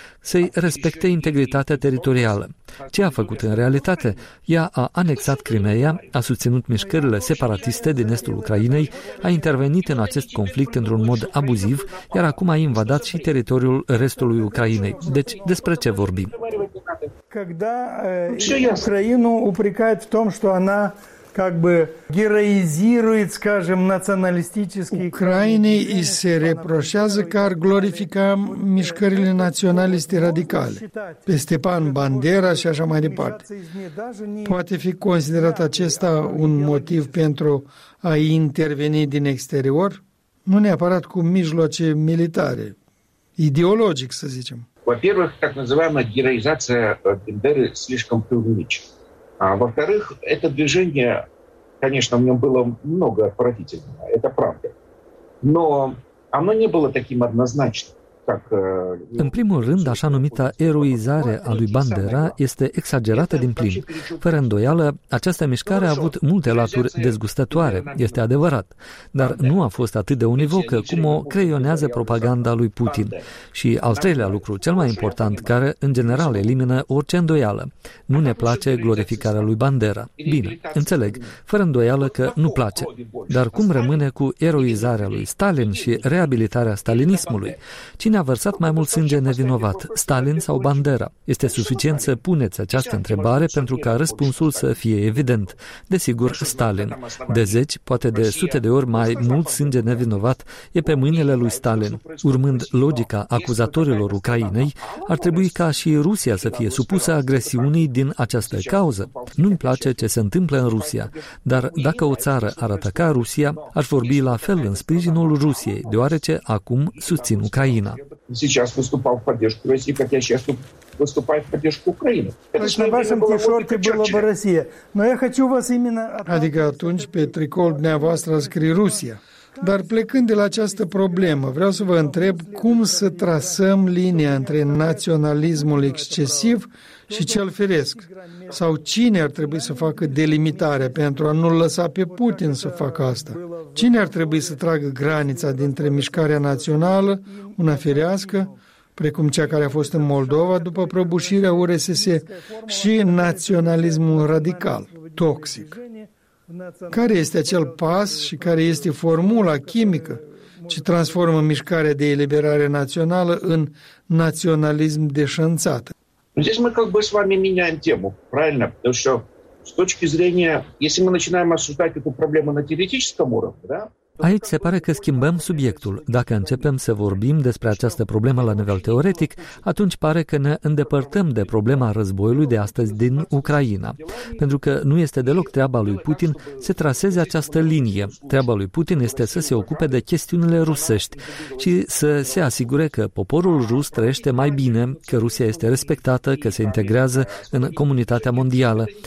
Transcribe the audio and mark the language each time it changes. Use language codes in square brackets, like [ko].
[ro] să-i respecte integritatea teritorială. Ce a făcut în realitate? Ea a anexat Crimeea, a susținut mișcările separatiste din estul Ucrainei, a intervenit în acest conflict într-un mod abuziv, iar acum a invadat și teritoriul restului Ucrainei. Deci, despre ce vorbim? [ru] Когда Украину упрекают в том, что она как бы героизирует, скажем, националистические... [ro] Украине и се репрошează, кар глорифика мишкарили националисты радикали. Pe Степан Бандера и așa mai departe. Poate fi considerat acesta un motiv pentru a interveni din exterior? Nu neapărat cu mijloace militare, ideologic, să zicem. [ru] Во-первых, так называемая героизация Бендеры слишком преувеличена. А во-вторых, это движение, конечно, в нем было много отвратительного, это правда. Но оно не было таким однозначным. [ro] În primul rând, așa numita eroizare a lui Bandera este exagerată din plin. Fără îndoială, această mișcare a avut multe laturi dezgustătoare, este adevărat, dar nu a fost atât de univocă cum o creionează propaganda lui Putin. Și al treilea lucru, cel mai important, care în general elimină orice îndoială: nu ne place glorificarea lui Bandera. Bine, înțeleg, fără îndoială că nu place. Dar cum rămâne cu eroizarea lui Stalin și reabilitarea stalinismului? Cine a vărsat mai mult sânge nevinovat, Stalin sau Bandera? Este suficient să puneți această întrebare pentru ca răspunsul să fie evident. Desigur, Stalin. De zeci, poate de sute de ori mai mult sânge nevinovat e pe mâinile lui Stalin. Urmând logica acuzatorilor Ucrainei, ar trebui ca și Rusia să fie supusă agresiunii din această cauză. Nu-mi place ce se întâmplă în Rusia, dar dacă o țară ar ataca Rusia, aș vorbi la fel în sprijinul Rusiei, deoarece acum susțin Ucraina. [ru] Сейчас выступал в поддержку России, как я сейчас выступаю в поддержку Украины. Значит, на вашем тишорте была бы Россия. Но я хочу вас именно... [ro] Adică atunci pe tricol dumneavoastră scrie Rusia. Dar plecând de la această problemă, vreau să vă întreb cum să trasăm linia între naționalismul excesiv și cel firesc? Sau cine ar trebui să facă delimitarea pentru a nu-l lăsa pe Putin să facă asta? Cine ar trebui să tragă granița dintre mișcarea națională, una firească, precum cea care a fost în Moldova după prăbușirea URSS, și naționalismul radical, toxic? Care este acel pas și care este formula chimică ce transformă mișcarea de eliberare națională în naționalism deșanțat? [ru] Здесь мы как бы с вами меняем тему, правильно? Потому что с точки зрения, если мы начинаем обсуждать эту проблему на теоретическом уровне, да? [ro] Aici se pare că schimbăm subiectul. Dacă începem să vorbim despre această problemă la nivel teoretic, atunci pare că ne îndepărtăm de problema războiului de astăzi din Ucraina. Pentru că nu este deloc treaba lui Putin să traseze această linie. Treaba lui Putin este să se ocupe de chestiunile rusești și să se asigure că poporul rus trăiește mai bine, că Rusia este respectată, că se integrează în comunitatea mondială.